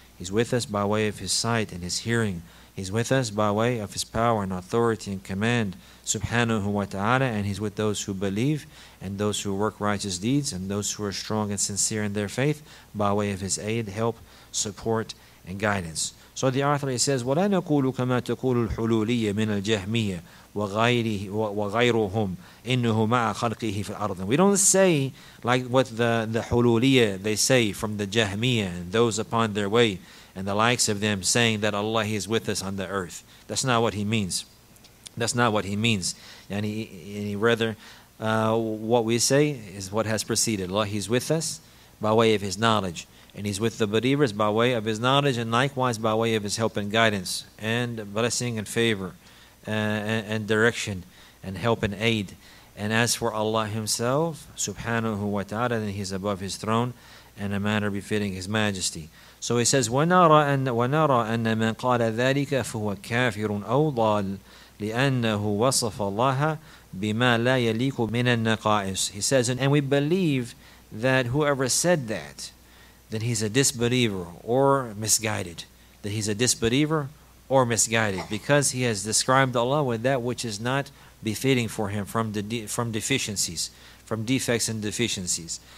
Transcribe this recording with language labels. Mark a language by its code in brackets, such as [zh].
[en] He's with us by way of His sight and His hearing. He's with us by way of His power and authority and command, subhanahu wa ta'ala, and He's with those who believe and those who work righteous deeds and those who are strong and sincere in their faith by way of His aid, help, support, and guidance. So the author, he says, [ar] وَلَا نَقُولُ كَمَا تَقُولُ الْحُلُولِيَّ مِنَ الْجَهْمِيَّ وَغَيْرُهُمْ إِنُّهُ مَعَ خَلْقِهِ فِي الْأَرْضِ. [en] We don't say like what the Hululiyyah, they say from the Jahmiyyah and those upon their way and the likes of them saying that Allah, He is with us on the earth. That's not what he means. That's not what he means. And rather, what we say is what has preceded. Allah, He's with us by way of His knowledge. And He's with the believers by way of His knowledge and likewise by way of His help and guidance and blessing and favor. And direction and help and aid. And as for Allah Himself, subhanahu wa ta'ala, then He's above His throne in a manner befitting His Majesty. So He says, [ar] وَنَرَى أَنَّ مَنْ قَالَ ذَلِكَ فُهُوَ كَافِرٌ أَوْضَالٌ لِأَنَّهُ وَصَفَ اللَّهَ بِمَا لَا يَلِيكُ مِنَ النَّقَائِسِ. [en] He says, and we believe that whoever said that, then he's a disbeliever or misguided. That he's a disbeliever or misguided, because he has described Allah with that which is not befitting for him from deficiencies, from defects and deficiencies.